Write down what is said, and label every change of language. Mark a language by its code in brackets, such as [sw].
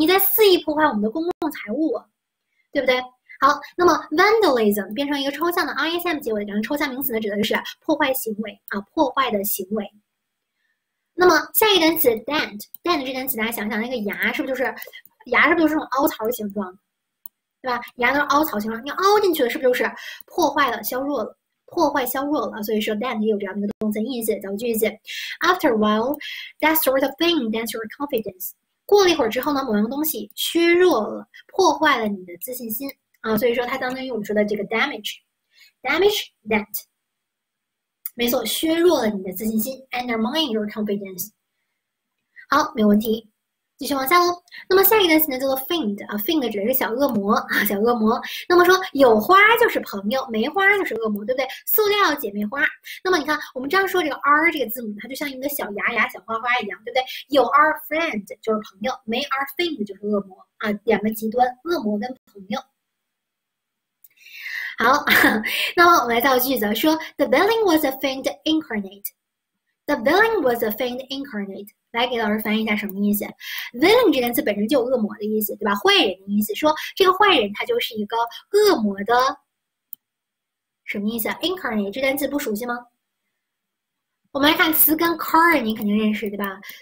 [zh] 你在肆意破坏我们的公共财物啊，对不对？好，那么 vandalism 变成一个抽象的 ism 结尾，然后抽象名词呢，指的是破坏行为啊，破坏的行为。那么下一个单词 dent 这单词，大家想想那个牙是不是就是这种凹槽形状，对吧？牙都是凹槽形状，你凹进去了，是不是就是破坏了、削弱了？破坏削弱了，所以说 dent 也有这样的动词意思。造个句子， [en] After a while, that sort of thing dents your confidence。 [zh] 过了一会儿之后呢，某样东西削弱了、破坏了你的自信心啊。所以说它当中用出的这个 damage dent，没错，削弱了你的自信心， [en] undermine your confidence。 [zh] 好，没问题。继续往下喽。那么下一个单词呢，叫做 fiend 啊，fiend 指的是小恶魔啊，小恶魔。那么说有花就是朋友，没花就是恶魔，对不对？塑料姐妹花。那么你看，我们这样说这个 R 这个字母，它就像一个小芽、小花花一样，对不对？有 R friend 就是朋友，没 R fiend 就是恶魔啊，两个极端，恶魔跟朋友。好，那么我们来造个句子，说 [en] The villain was a fiend incarnate。 The villain was a fiend incarnate。 [zh] 来给老师翻译一下什么意思？villain 这个词本身就有恶魔的意思，对吧？坏人的意思。说这个坏人他就是一个恶魔的什么意思啊？Incarnate 这单词不熟悉吗？我们来看词根 car，你肯定认识对吧？